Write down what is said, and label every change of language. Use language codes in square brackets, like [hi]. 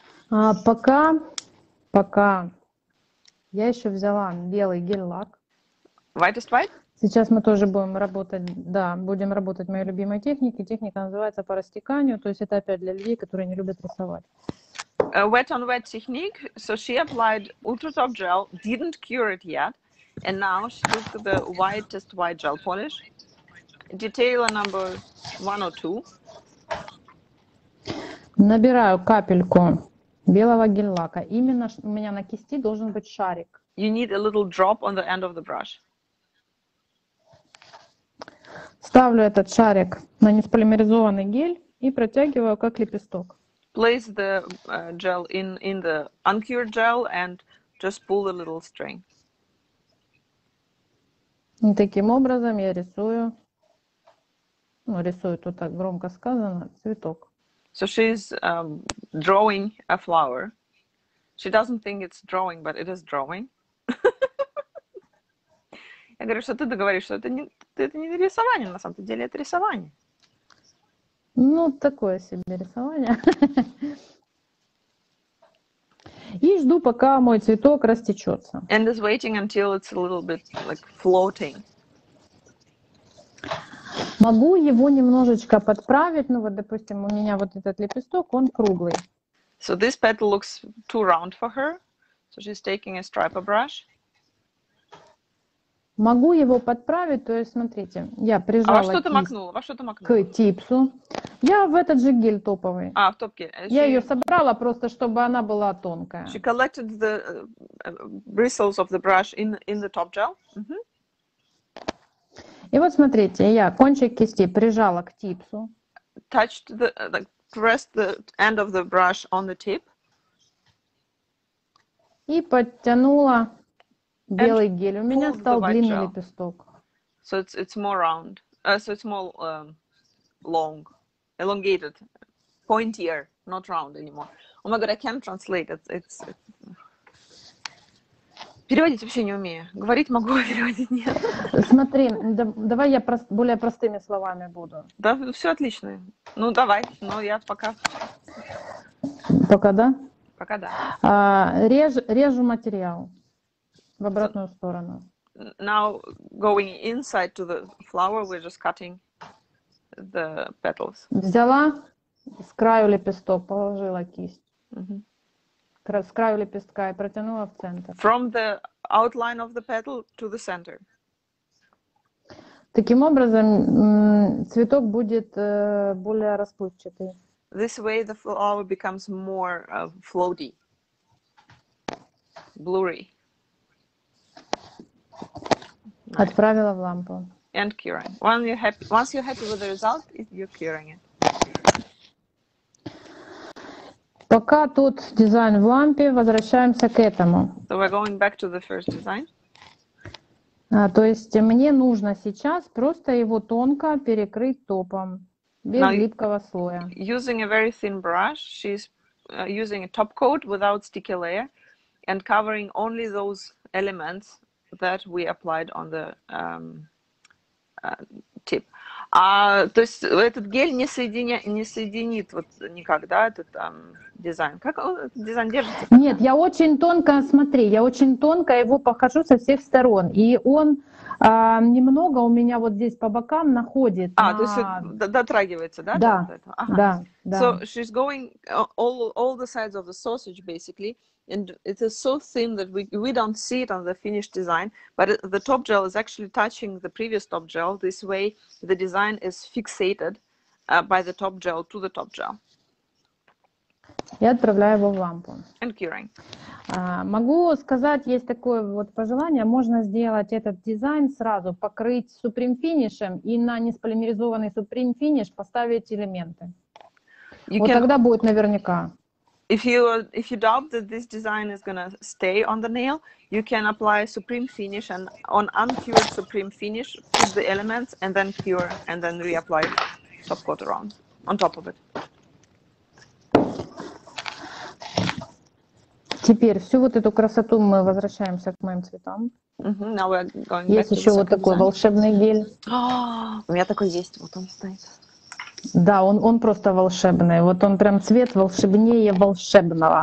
[ru] А пока я еще взяла белый гель-лак. [en] White. [ru] Сейчас мы тоже будем работать, да, будем работать моей любимой техникой. Техника называется по растеканию, то есть это опять для людей, которые не любят рисовать. [en] Wet on wet technique. So she applied ultratop gel, didn't cure it yet, and now she took the whitest white gel polish. Detailer number 102. [ru] Набираю капельку белого гель-лака. Именно у меня на кисти должен быть шарик. [en] You need a little drop on the end of the brush. [ru] Ставлю этот шарик на несполимеризованный гель и протягиваю как лепесток. [en] Place the gel in the uncured gel and just pull a little string. [ru] И таким образом я рисую, рисую, тут так громко сказано, цветок. [en] So she's drawing a flower. She doesn't think it's drawing, but it is drawing. [ru] Я говорю, что ты договоришь, что это не рисование, на самом деле это рисование. Ну, такое себе рисование. И жду, пока мой цветок растечется. [en] And is waiting until it's a little bit like floating. [ru] Могу его немножечко подправить, ну вот, допустим, у меня вот этот лепесток, он круглый. [en] So this petal looks too round for her, so she's taking a striper brush. [ru] Могу его подправить, то есть, смотрите, я прижала кисть. А что ты макнула? Во что ты макнула? К типсу. Я в этот же гель топовый. А, в топке. Я ее собрала просто, чтобы она была тонкая. [en] She collected the bristles of the brush in the top gel. [ru] Uh-huh. И вот, смотрите, я кончик кисти прижала к типсу. [en] Touched the, like, pressed the end of the brush on the tip. [ru] И подтянула. Белый гель. У меня стал длинный лепесток. [en] So it's more round. So it's more long. Elongated. Pointier. Not round anymore. Oh my god, I can't translate. It's... [ru] Переводить вообще не умею. Говорить могу, а переводить нет. Смотри, давай я более простыми словами буду. Да, все отлично. Ну, давай. Но я пока... Пока да? Пока да. Режу материал. В обратную сторону. [en] Now going inside to the flower, we're just cutting the petals. [ru] Взяла с краю лепесток, положила кисть. Mm-hmm. С краю лепестка и протянула в центр. [en] From the outline of the petal to the center. [ru] Таким образом, цветок будет более расплывчатый. [en] This way the flower becomes more floaty. blurry. Nice. [ru] Отправила в лампу. [en] And curing. When you're happy, once you're happy with the result, you're curing it. [ru] Пока тут дизайн в лампе, возвращаемся к этому. [en] So we're going back to the first design. [ru] То есть мне нужно сейчас просто его тонко перекрыть топом без [en] Now, [ru] липкого слоя. [en] Using a very thin brush, she's using a top coat without sticky layer and covering only those elements that we applied on the tip. [ru] То есть этот гель не соединя, не соединит вот никак, да, этот дизайн. Как дизайн держится? Нет, я очень тонко, смотри, я очень тонко его похожу со всех сторон, и он немного у меня вот здесь по бокам находит. А, на... то есть дотрагивается, да? Да, ага. Да, да. [en] So she's going all the sides of the sausage, basically. And it is so thin that we don't see it on the finished design, but the top gel is actually touching the previous top gel. This way, the design is fixated by the top gel to the top gel. [ru] Я отправляю его в лампу. [en] And curing. [ru] Могу сказать, есть такое вот пожелание, можно сделать этот дизайн сразу, покрыть Supreme Finish'ем и на несполимеризованный Supreme Finish поставить элементы. [en] You [ru] вот [en] can... [ru] тогда будет наверняка. [en] If you doubt that this design is gonna stay on the nail, you can apply Supreme Finish and on uncured Supreme Finish put the elements and then cure and then reapply top coat around on top of it. [ru] Теперь всю вот эту красоту мы возвращаемся к моим цветам. [en] Mm-hmm. Now we're going [ru] есть [en] back [ru] еще [en] to [ru] вот такой [en] design. [ru] Волшебный гель. Oh, у меня такой есть, вот он стоит. Да, он просто волшебный. Вот он прям цвет волшебнее волшебного.